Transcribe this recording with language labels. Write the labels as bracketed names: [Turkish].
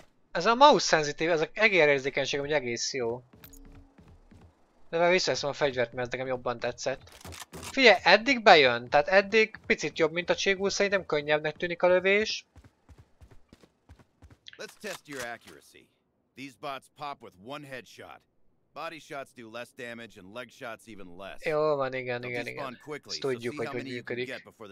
[Hungarian] Ez a mouse szenzitív, ez a egérérzékenységem ugye egész jó. De már visszaveszem a fegyvert, mert ez nekem jobban tetszett. Figyelj, eddig bejön, tehát eddig picit jobb, mint a cségú, szerintem könnyebbnek tűnik a lövés. [English] Let's test your accuracy. These bots pop with one headshot. Body shots do less damage and leg shots even less. [Hungarian] Jó van, igen. Ezt tudjuk, hogy működik.